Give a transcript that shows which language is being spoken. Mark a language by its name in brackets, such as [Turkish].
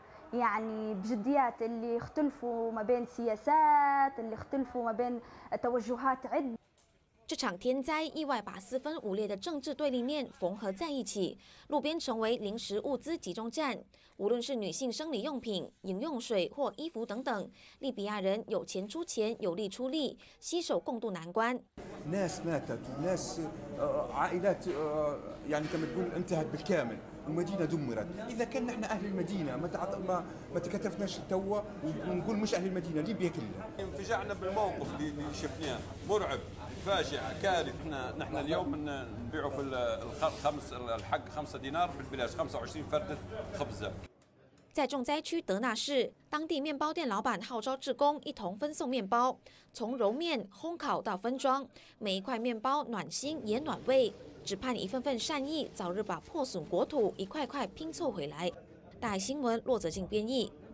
[Arabic] يعني بجديات اللي اختلفوا ما بين سياسات اللي اختلفوا ما بين توجهات عد [Chinese] 这场天灾意外把四分五裂的政治对立面缝合在一起，路边成为临时物资集中站。无论是女性生理用品、饮用水或衣服等等，利比亚人有钱出钱，有力出力，携手共度难关。 [Arabic] ناس ماتت، ناس عائلات يعني كما تقول انتهت بالكامل، المدينة دمرت. إذا كان نحن أهل المدينة ما تكتفناش توا ونقول مش أهل المدينة، ليبيا كلها. انفجعنا بالموقف اللي شفناه مرعب. فاجعه كارثه. نحن اليوم نبيعوا في الخمس الحق 5 دينار في البلاش 25 فرده خبزه. [Chinese] 在重灾区德纳市，当地面包店老板号召志工一同分送面包，从揉面、烘烤到分装，每一块面包暖心也暖胃，只盼一份份善意早日把破损国土一块块拼凑回来。大爱新闻骆泽静编译。